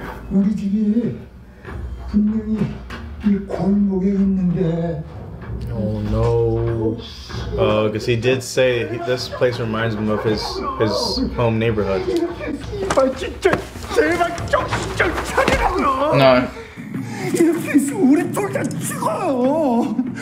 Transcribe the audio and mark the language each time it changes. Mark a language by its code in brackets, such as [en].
[ko] 우리 집이 분명히 이 골목에 있는데. [en] Oh no. Because he did say this place reminds him of his home neighborhood. [ko] 아 진짜 제발 정신 차리라고요. 나. 이렇게 있으면 우리 둘 다 죽어요.